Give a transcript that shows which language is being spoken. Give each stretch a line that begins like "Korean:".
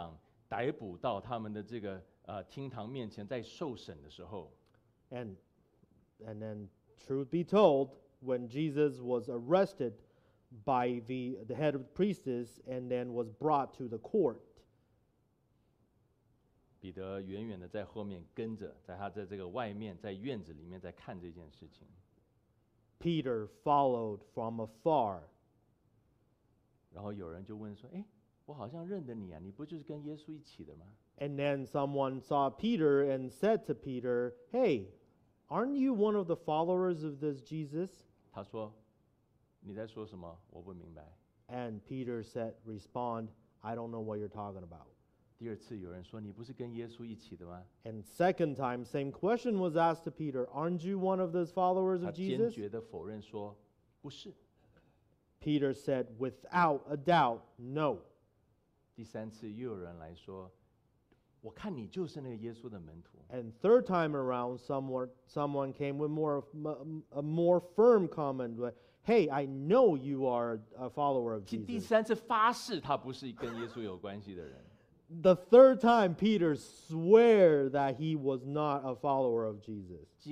Chinese: 果然，在主耶稣基督被祭司长逮捕到他们的这个 厅堂面前，在受审的时候，
English: and then truth be told, when Jesus was arrested by the head of the priests and then was brought to the court.
Chinese: 彼得远远的在后面跟着，在他在这个外面，在院子里面，在看这件事情。Peter
English: followed from afar.
Chinese: 然后有人就问说，诶，我好像认得你啊，你不就是跟耶稣一起的吗？
English: And then someone saw Peter and said to Peter, hey, aren't you one of the followers of this Jesus?
Chinese: 他说，你在说什么？我不明白。
English: And Peter said, respond, I don't know what you're talking about.
Chinese: 第二次有人说，你不是跟耶稣一起的吗？
English: And second time, same question was asked to Peter, aren't you one of those followers of Jesus?
Chinese: 他坚决地否认说，不是。
English: Peter said, without a doubt, no.
Chinese: 第三次又有人来说，我看你就是那个耶稣的门徒。
English: And third time around, someone came with a more firm comment, like, hey, I know you are a follower of Jesus.
Chinese: 第三次发誓他不是跟耶稣有关系的人。
English: The third time, Peter swore that he was not a follower of Jesus.